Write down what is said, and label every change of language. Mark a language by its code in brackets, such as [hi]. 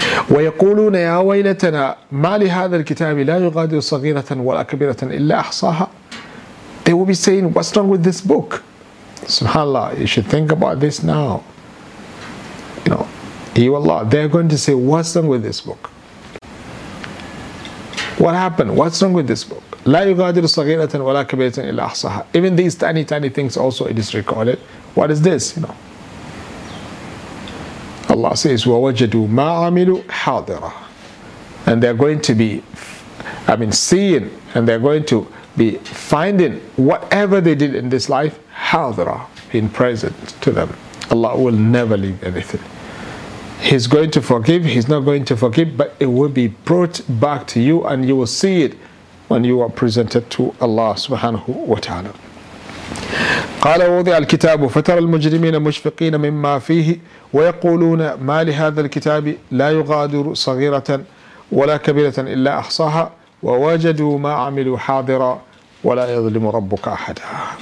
[ar] وَيَقُولُونَ يَا وَيْلَتَنَا مَا لِهَذَا الْكِتَابِ لَا يُغَادِرُ صَغِيرَةً وَلَا كَبِيرَةً إِلَّا أَحْصَاهَا. [en] They will be saying, what's wrong with this book? SubhanAllah, you should think about this now. You know, Allah, they're going to say, what's wrong with this book? What happened? What's wrong with this book? [ar] لا يغادر صغيرة ولا كبيرة إلا أحصاها. [en] Even these tiny, tiny things also it is recorded. What is this? You know. Allah says, [ar] ووجدوا ما عملوا حاضرة. [en] And they're going to be, seeing, and they're going to be finding whatever they did in this life, حاضرة, in present to them. Allah will never leave anything. He's going to forgive, He's not going to forgive, but it will be brought back to you and you will see it when you are presented to Allah subhanahu wa ta'ala. [ar] قال ووضع الكتاب فترى المجرمين مشفقين مما فيه ويقولون ما لهذا الكتاب لا يغادر صغيرة ولا كبيرة إلا أحصاها ووجدوا ما عملوا حاضرا ولا يظلم ربك أحدا.